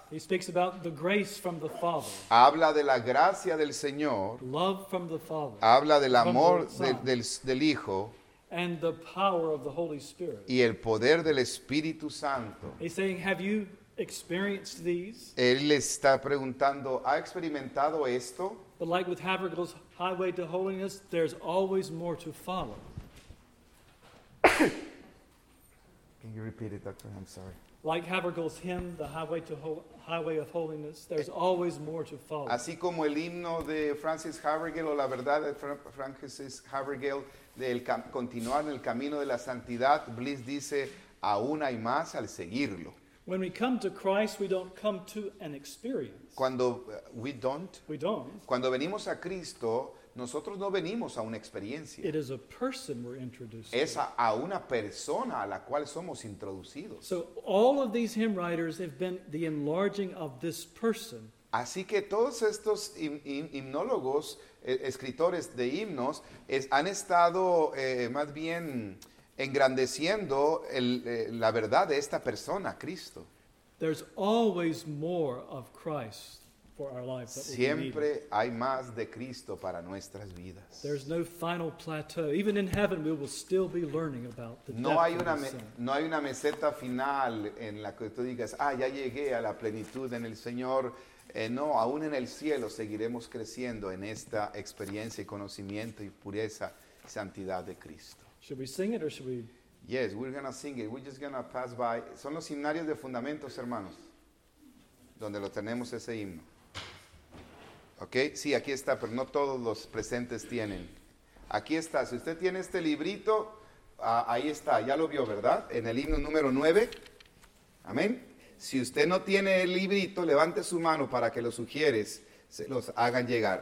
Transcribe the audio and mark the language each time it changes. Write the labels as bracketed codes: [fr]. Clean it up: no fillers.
[en] He speaks about the grace from the Father. [es] Habla de la gracia del Señor. [en] Love from the Father. [es] Habla del amor del Hijo. [en] And the power of the Holy Spirit. [es] Y el poder del Espíritu Santo. [en] He's saying, have you experienced these? [es] Él le está preguntando, ¿ha experimentado esto? [en] But like with Habakkuk's highway to holiness, there's always more to follow. Can you repeat it, Doctor? I'm sorry. Like Habakkuk's hymn, the highway to highway of holiness, there's always more to follow. [es] Así como el himno de Francis Habakkuk o la verdad de Francis Habakkuk del continuar en el camino de la santidad, Bliss dice, aún hay más al seguirlo. [en] When we come to Christ, we don't come to an experience. [es] Cuando [en] we don't. [es] Cuando venimos a Cristo, nosotros no venimos a una experiencia. [en] It is a person we're introduced to. [es] Es a una persona a la cual somos introducidos. [en] So all of these hymn writers have been the enlarging of this person. [es] Así que todos estos himnólogos, escritores de himnos, han estado más bien engrandeciendo la verdad de esta persona, Cristo. [en] There's always more of Christ. For our lives, [es] siempre hay más de Cristo para nuestras vidas. [en] There's no final plateau. Even in heaven, we will still be learning about the depth of the sin. [es] No hay una meseta final en la que tú digas, ya llegué a la plenitud en el Señor. No, aún en el cielo seguiremos creciendo en esta experiencia y conocimiento y pureza y santidad de Cristo. [en] Should we sing it or should we? Yes, we're going to sing it. We're just going to pass by. [es] Son los himnarios de fundamentos, hermanos, donde lo tenemos ese himno. Okay, sí, aquí está, pero no todos los presentes tienen. Aquí está, si usted tiene este librito, ahí está, ya lo vio, ¿verdad? En el himno número 9, amén. Si usted no tiene el librito, levante su mano para que los sugieres se los hagan llegar.